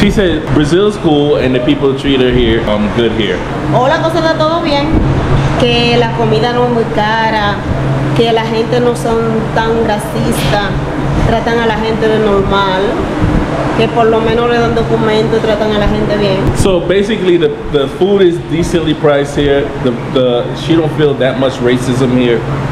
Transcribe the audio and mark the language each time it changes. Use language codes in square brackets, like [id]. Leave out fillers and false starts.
[en] She said Brazil's cool and the people treat her here good here. [es] Hola, ¿cómo está todo bien? Que la comida no es muy cara, que la gente no son tan racista, tratan a la gente de normal, que por lo menos le dan documento, tratan a la gente bien. [en] So basically the food is decently priced here. The she don't feel that much racism here.